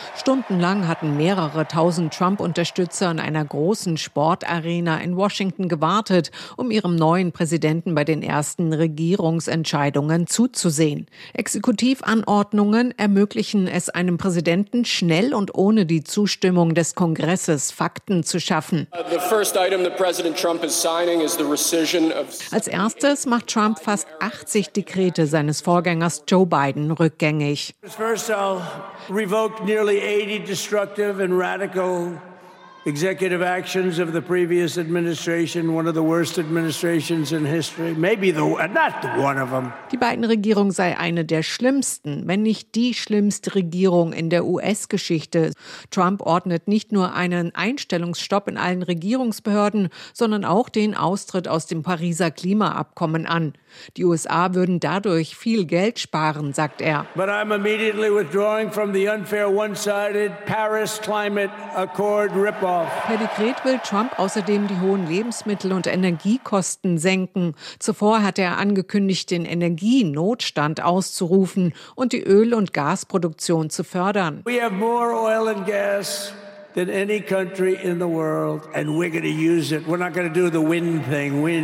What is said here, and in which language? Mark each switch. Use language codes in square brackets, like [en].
[de] Stundenlang hatten mehrere tausend Trump-Unterstützer in einer großen Sportarena in Washington gewartet, um ihrem neuen Präsidenten bei den ersten Regierungsentscheidungen zuzusehen. Exekutivanordnungen ermöglichen es einem Präsidenten, schnell und ohne die Zustimmung des Kongresses Fakten zu schaffen. [en] The first item that President Trump is signing is the rescission. [de] Als erstes macht Trump fast 80 Dekrete seines Vorgängers Joe Biden rückgängig. [en] First I'll revoke nearly 80 destructive and radical executive actions of the previous administration, one of the worst administrations in history, maybe the not one of them. [de] Die Biden-Regierung sei eine der schlimmsten, wenn nicht die schlimmste Regierung in der US-Geschichte. Trump ordnet nicht nur einen Einstellungsstopp in allen Regierungsbehörden, sondern auch den Austritt aus dem Pariser Klimaabkommen an. Die USA würden dadurch viel Geld sparen, sagt er. [en] But I'm immediately withdrawing from the unfair one-sided Paris Climate Accord. [de] Per Dekret will Trump außerdem die hohen Lebensmittel- und Energiekosten senken. Zuvor hatte er angekündigt, den Energienotstand auszurufen und die Öl- und Gasproduktion zu fördern. [en] We have more oil and gas than any country in the world, and we're going to use it. We're not going to do the wind thing.